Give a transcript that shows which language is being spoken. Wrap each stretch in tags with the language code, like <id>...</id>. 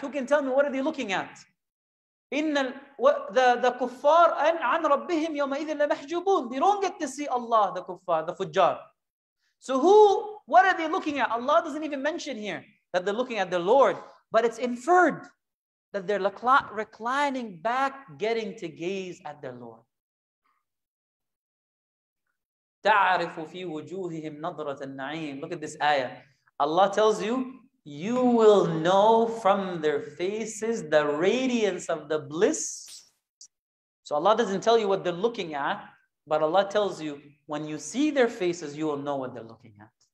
<en>Who can tell me what are they looking at? The</en> <ar>kuffar an rabbihim yawma idhin la mahjubun.</ar> <en>They don't get to see Allah, the kuffar, the fujjar. So who, what are they looking at? Allah doesn't even mention here that they're looking at the Lord, but it's inferred that they're reclining back, getting to gaze at their Lord.</en> <ar>تعرف في وجوههم نظرة النعيم.</ar> <en>Look at this ayah. Allah tells you, you will know from their faces the radiance of the bliss. So Allah doesn't tell you what they're looking at, but Allah tells you, when you see their faces, you will know what they're looking at.</en>